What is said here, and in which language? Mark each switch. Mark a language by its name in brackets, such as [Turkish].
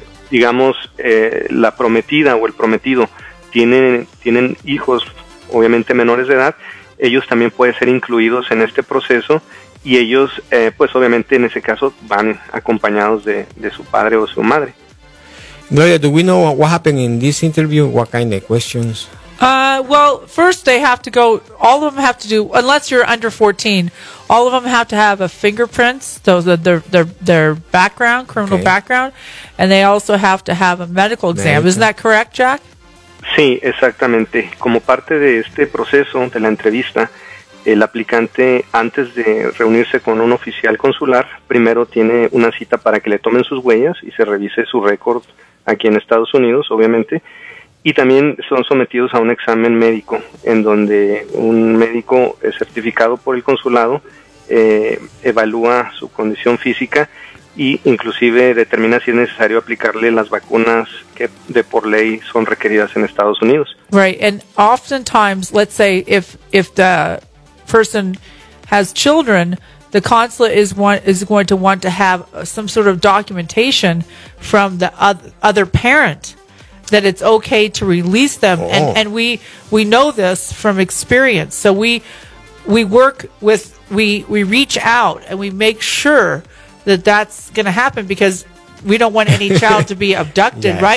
[Spanish] Si la prometida o el prometido tienen hijos, obviamente menores de edad, ellos también pueden ser incluidos en este proceso y ellos, pues obviamente en ese caso, van acompañados de su padre o su madre. [English] Gloria, do we know what happened in this interview? What kind of questions? First they have to go, all of them have to do, unless you're under 14, all of them have to have a fingerprints, those are their background, criminal background, and they also have to have a medical exam. Isn't that correct, Jack? [Spanish] Sí, exactamente. Como parte de este proceso de la entrevista, el aplicante, antes de reunirse con un oficial consular, primero tiene una cita para que le tomen sus huellas y se revise su récord aquí en Estados Unidos, obviamente. Y también son sometidos a un examen médico, en donde un médico certificado por el consulado evalúa su condición física e inclusive determina si es necesario aplicarle las vacunas que de por ley son requeridas en Estados Unidos. [English] Right, and oftentimes, let's say if the person has children, the consulate is going to want to have some sort of documentation from the other parent that it's okay to release them. And we know this from experience. So we reach out and we make sure that that's going to happen because we don't want any child to be abducted, yeah, right?